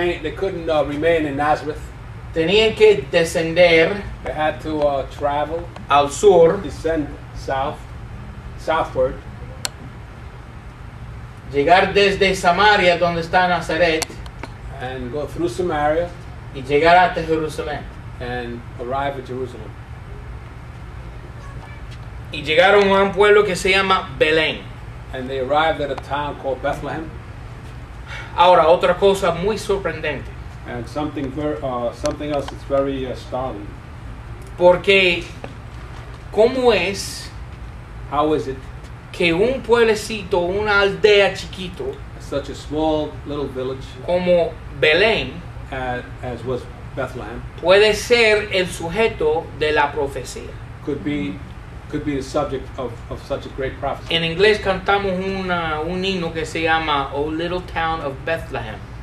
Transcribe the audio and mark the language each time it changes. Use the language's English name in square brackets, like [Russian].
[English] They couldn't remain in Nazareth. [Spanish] Tenían que descender. [English] They had to travel [Spanish] al sur. [English] Descend south, southward. [Spanish] Llegar desde Samaria, donde está Nazaret. [English] And go through Samaria. [Spanish] Y llegar hasta Jerusalén. [English] And arrive at Jerusalem. [Spanish] Y llegaron a un pueblo que se llama Belén. [English] And they arrived at a town called Bethlehem. [Spanish] Ahora, otra cosa muy sorprendente. [English] And something else that's very startling. [Spanish] Porque, ¿cómo es? [English] How is it? [Spanish] Que un pueblecito, una aldea chiquito. [English] Such a small little village. [Spanish] Como Belén. [English] As was Bethlehem. [Spanish] Puede ser el sujeto de la profecía. [English] Could be the subject of such a great prophecy. [Spanish] En inglés cantamos un himno que se llama O Little Town of Bethlehem.